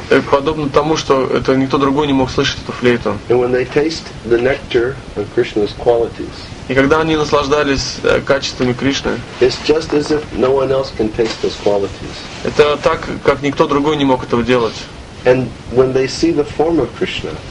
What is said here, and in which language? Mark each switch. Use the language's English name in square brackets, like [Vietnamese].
[Russian] подобно тому, что это никто другой не мог слышать эту флейту. [English] And when they taste the nectar of Krishna's qualities, [Russian] и когда они наслаждались качествами Кришны, [English] it's just as if no one else can taste those qualities. [Russian] Это так, как никто другой не мог этого делать. [English] And when they see the form of Krishna,